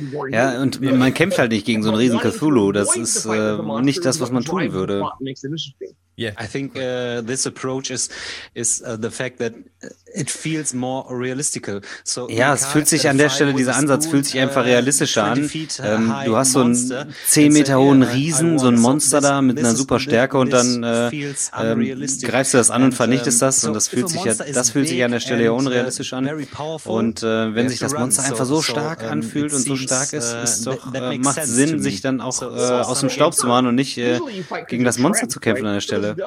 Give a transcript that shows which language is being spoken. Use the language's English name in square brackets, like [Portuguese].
[German] Ja, und man kämpft halt nicht gegen so einen riesen Cthulhu. Das ist nicht das, was man tun würde. [English] Yeah, I think this approach is the fact that it feels more realistical. So [German] ja, es fühlt sich an der Stelle, dieser Ansatz fühlt sich einfach realistischer an. Du hast so einen 10 Meter hohen Riesen, so ein Monster da mit einer super Stärke und dann greifst du das an und vernichtest das und das fühlt sich an der Stelle ja unrealistisch an. Und wenn sich das Monster einfach so stark anfühlt und so stark ist, macht es Sinn, sich dann auch aus dem Staub zu machen und nicht gegen das Monster zu kämpfen an der Stelle.